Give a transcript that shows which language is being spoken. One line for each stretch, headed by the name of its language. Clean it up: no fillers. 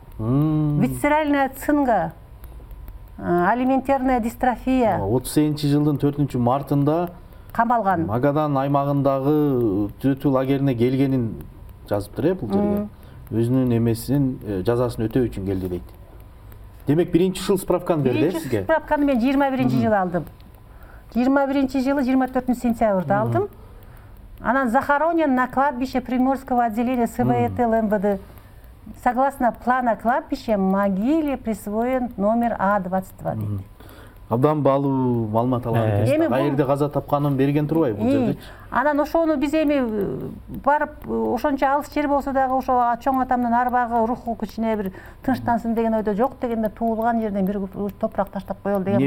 Russian: Висцеральная цинга, алиментарная дистрофия.
Kyrgyz: 38 жылдын 4 мартында камалган Магадан аймагындагы түзөтүү лагерине келгенин жазыптыр э бул жерге. Өзүнүн эмесинин жазасын өтөө үчүн келди дейт. Демек биринчи ушул справканы берди э сизге? Биринчи справканы мен 21 жылы алдым. 21 жылы 24 сентябрда алдым. Анан
Russian: захоронен на кладбище Приморского отделения СВЭТЛ МВД. Согласно плана кладбища могиле присвоен номер А22
Kyrgyz: дейт. Абдан баалуу маалымат алган экенсиз. Кайерде каза тапканын берген турбайбы бул жерде? Анан ошону биз эми барып ошончо алыс жер болсо дагы ошо чоң атамдын арбагы руху кичине бир тынчтансын деген ойдо жок дегенде туулган жерден бир үч топурак таштап коелу деген